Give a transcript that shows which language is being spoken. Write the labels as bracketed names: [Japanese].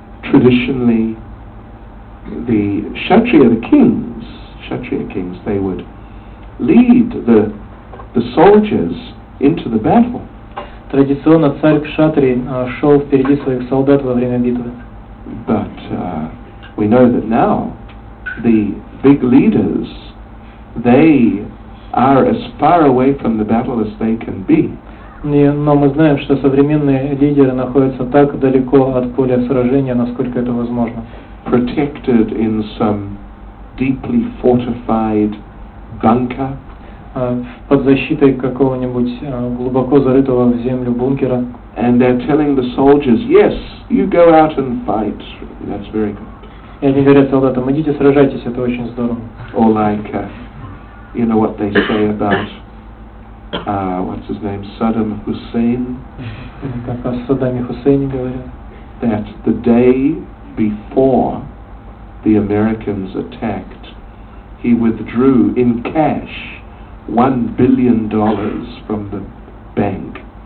[English] Traditionally, the kshatriya kings, they would lead the soldiers into the battle. [Russian] Традиционно царь кшатрий шел впереди своих солдат во время битвы. [English] But we know that now the big leaders, they are as far away from the battle as they can be. [Russian] Но мы знаем, что современные лидеры находятся так далеко от поля сражения, насколько это возможно. [English] Protected in some deeply fortified bunker. [Russian] Под защитой какого-нибудь глубоко зарытого в землю бункера. [English] And they're telling the soldiers, yes, you go out and fight. That's very good. [Russian] И они говорят солдатам, идите сражайтесь, это очень здорово. [English] Or like, you know what they say about, what's his name, Saddam Hussein. [Russian] Как о Саддаме Хусейне говорят. [English] That the day before the Americans attacked, he withdrew in cash $1 billion from the bank.